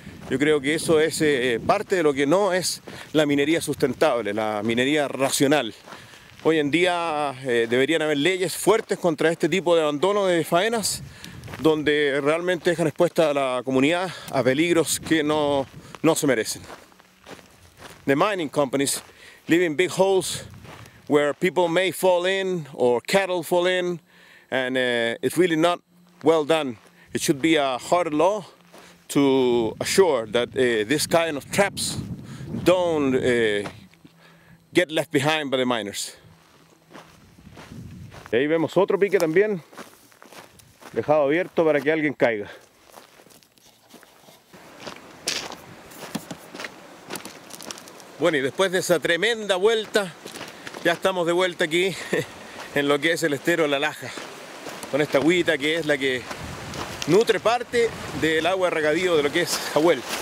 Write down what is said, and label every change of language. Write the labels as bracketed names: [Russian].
[Spanish] Yo creo que eso es parte de lo que no es la minería sustentable, la minería racional. Hoy en día deberían haber leyes fuertes contra este tipo de abandono de faenas donde realmente dejan expuesta a la comunidad a peligros que no se merecen. [English] The mining companies leaving big holes where people may fall in or cattle fall in, and it's really not well done. It should be a hard law to assure that this kind of traps don't get left behind by the miners. [Spanish] Y ahí vemos otro pique también, dejado abierto para que alguien caiga. Bueno, y después de esa tremenda vuelta, ya estamos de vuelta aquí en lo que es el estero La Laja, con esta agüita que es la que nutre parte del agua de regadío de lo que es Jahuel.